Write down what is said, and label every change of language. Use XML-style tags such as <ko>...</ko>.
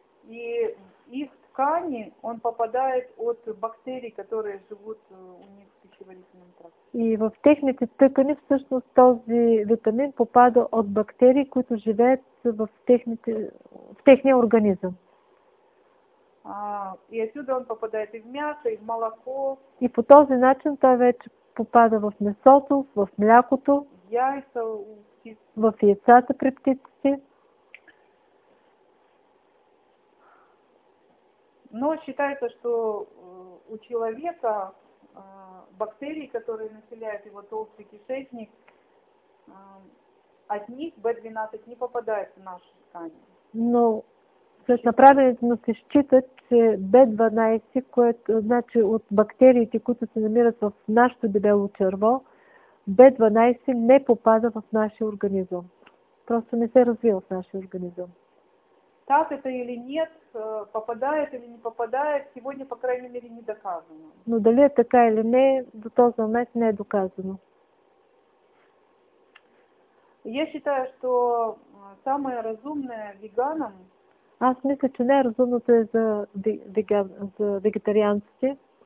<ru>И их ткани, он попадает от бактерий, которые живут у них в пищеварительном тракте.</ru> <bg>И в техните тъкани всъщност този витамин попада от бактерии, които живеят в техния организъм.</bg> <ru>И отсюда он попадает и в мясо, и в молоко.</ru> <bg>И по този начин той вече попада в месото, в млякото, яйца, в яйцата при птиците.</bg> <ru>Но считается, что у человека бактерии, которые населяют его толстый кишечник, от них B12 не попадает в наши ткани.</ru> <bg>Но след направените му се считат, че B12, което значи от бактериите, които се намират в нашето дебело черво, B12 не попада в нашия организъм. Просто не се развива в нашия организъм.</bg> <ru>Так это или нет, попадает или не попадает, сегодня, по крайней мере, не доказано.</ru> <bg>Но дали е така или не, до този момент не е доказано.</bg> <ru>Я считаю, что самое разумное веганам...</ru> <bg>Аз мисля, че най-разумното е за, за вегетарианците.</bg>